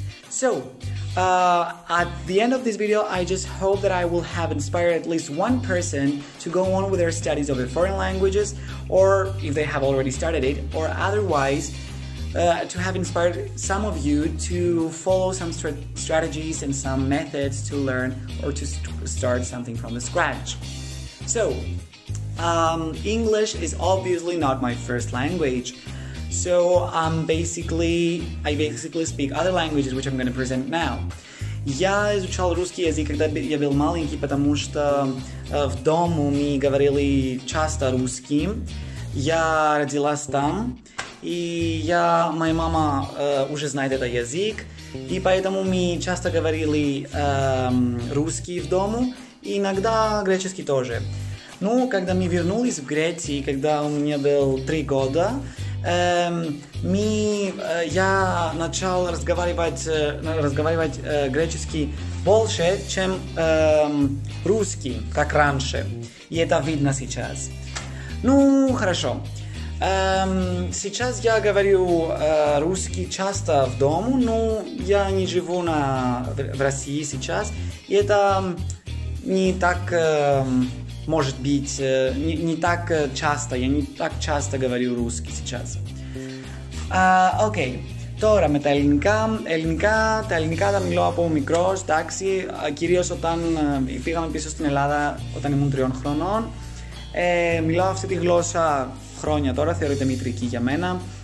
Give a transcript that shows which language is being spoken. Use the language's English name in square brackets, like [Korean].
[English] So, at the end of this video, I just hope that I will have inspired at least one person to go on with their studies of the foreign languages, or if they have already started it, or otherwise to have inspired some of you to follow some strategies and some methods to learn or to start something from the scratch. So, English is obviously not my first language. So I basically speak other languages, which I'm going to present now. [Russian] Я изучал русский язык, когда я был маленький, потому что в дому мы говорили часто русским. Я родилась там, и моя мама уже знает этот язык, и поэтому мы часто говорили русский в дому, и иногда греческий тоже. Ну, когда мы вернулись в Греции, когда у меня было 3 года, я начал разговаривать греческий больше, чем русский, как раньше. И это видно сейчас. Ну, хорошо. Сейчас я говорю русский часто в дому, но я не живу в России сейчас. И это не так... Может быть, не так часто, я не так часто говорю русский сейчас. [Greek] Окей, тώρα με τα ελληνικά. Ελληνικά, τα ελληνικά τα μιλώ από μικρός, εντάξει, κυρίως όταν πήγαμε πίσω στην Ελλάδα όταν ήμουν 3 χρονών. Μιλάω αυτή τη γλώσσα χρόνια τώρα, θεωρείται μητρική για μένα.